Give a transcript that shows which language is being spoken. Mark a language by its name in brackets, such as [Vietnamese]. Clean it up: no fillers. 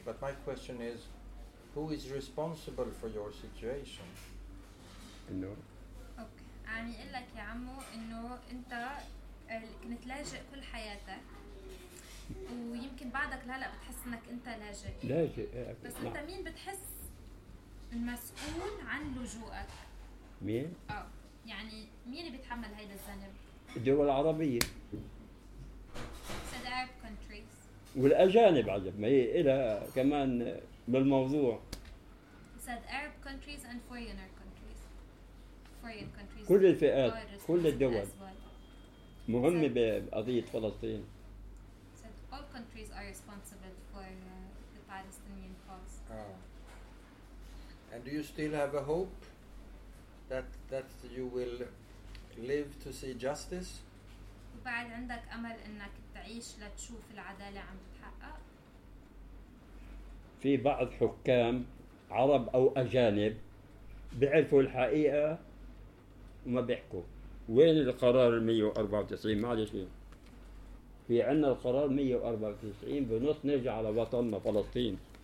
[English] But my question is, who is responsible for your situation? No. Okay. I'm telling you, Amo, that you've been refugee all your life. [Arabic] ويمكن بعدك لهلا بتحس انك انت لاجئ بس انت مين بتحس المسؤول عن لجوءك؟ مين؟ يعني مين اللي بيتحمل هيدا الذنب؟ الدول العربية [English] Arab countries [Arabic] والأجانب عجب ما هي إلها كمان بالموضوع [English] said Arab countries and foreigner countries foreign countries [Arabic] كل الفئات كل الدول مهمة بقضية فلسطين [English] countries are responsible for the Palestinian cause. Oh. And do you still have a hope that you will live to see justice? [Arabic] وبعد عندك أمل إنك تعيش لتشوف العدالة عم تتحقق؟ في بعض حكام عرب أو أجانب بيعرفوا الحقيقة وما بيحكوا. وين القرار 194؟ معلش في عنا القرار 194 بنص نرجع على وطننا فلسطين.